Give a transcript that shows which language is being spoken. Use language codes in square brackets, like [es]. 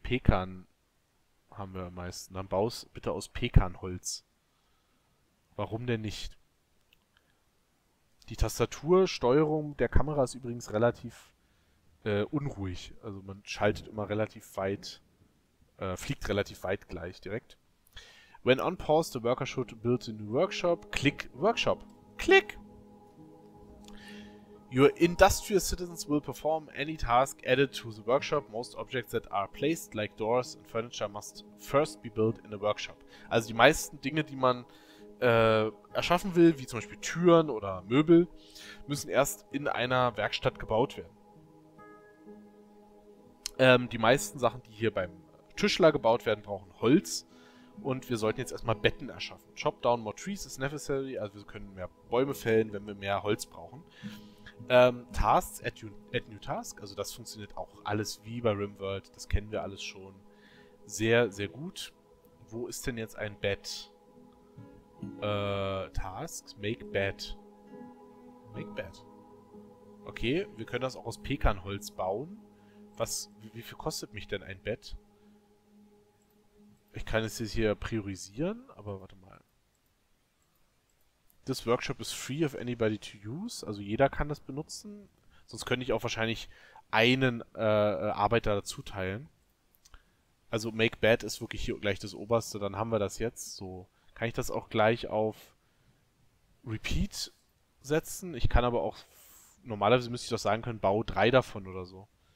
[de] Pekan haben wir am meisten. Dann baue es bitte aus Pekanholz. Warum denn nicht? Die Tastatursteuerung der Kamera ist übrigens relativ unruhig. Also man schaltet immer relativ weit, fliegt relativ weit gleich direkt. [en] When on pause, the worker should build a new workshop. Click workshop. Click! Your industrious citizens will perform any task added to the workshop. Most objects that are placed, like doors and furniture, must first be built in a workshop. [de] Also die meisten Dinge, die man erschaffen will, wie zum Beispiel Türen oder Möbel, müssen erst in einer Werkstatt gebaut werden. Die meisten Sachen, die hier beim Tischler gebaut werden, brauchen Holz und wir sollten jetzt erstmal Betten erschaffen. [en] Chop down more trees is necessary, [de] also wir können mehr Bäume fällen, wenn wir mehr Holz brauchen. [en] Tasks, add new task, [de] also das funktioniert auch alles wie bei RimWorld, das kennen wir alles schon sehr, sehr gut. Wo ist denn jetzt ein Bett? Tasks, make bed. Make bed. Okay, wir können das auch aus Pekanholz bauen. Was, wie viel kostet mich denn ein Bett? Ich kann es jetzt hier priorisieren, aber warte mal. [en] This workshop is free of anybody to use. [de] Also jeder kann das benutzen. Sonst könnte ich auch wahrscheinlich einen Arbeiter dazu teilen. Also make bed ist wirklich hier gleich das oberste. Dann haben wir das jetzt so. Kann ich das auch gleich auf Repeat setzen. Ich kann aber auch, normalerweise müsste ich doch sagen können, bau drei davon oder so.